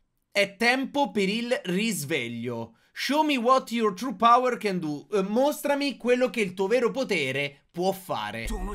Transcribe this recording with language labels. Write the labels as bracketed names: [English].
[Italian] È tempo per il risveglio. [English] Show me what your true power can do. [Italian] Mostrami quello che il tuo vero potere può fare.